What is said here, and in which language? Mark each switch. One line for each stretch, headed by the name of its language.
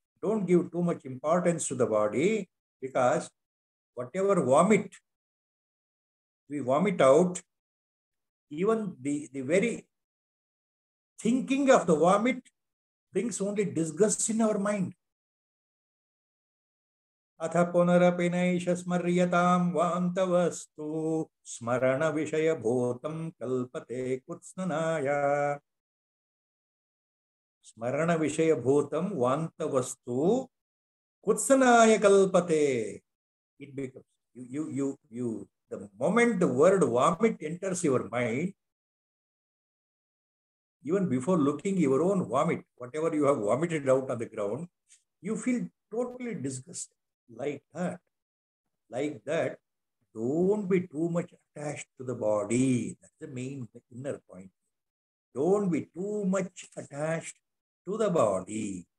English: Don't give too much importance to the body, because whatever vomit we vomit out, even the very thinking of the vomit brings only disgust in our mind.
Sanskrit: ಅಥ ಪುನರಪಿ ನೈಷ ಸ್ಮರ್ಯತಾಂ ವಾಂತವಸ್ತು ಸ್ಮರಣ ವಿಷಯ ಭೂತಂ ಕಲ್ಪತೆ ಕೃತ್ಸ್ನಾಯ. ಸ್ಮರಣ ವಿಷಯ ಭೂತಂ ವಾಂತವಸ್ತು ಕೃತ್ಸ್ನಾಯ ಕಲ್ಪತೆ.
English: It becomes you you you the moment word vomit enters your mind, even before looking your own vomit, whatever you have vomited out on the ground, you feel totally disgust. Like that, like that, don't be too much attached to the body. That's the main inner point. Don't be too much attached to the body.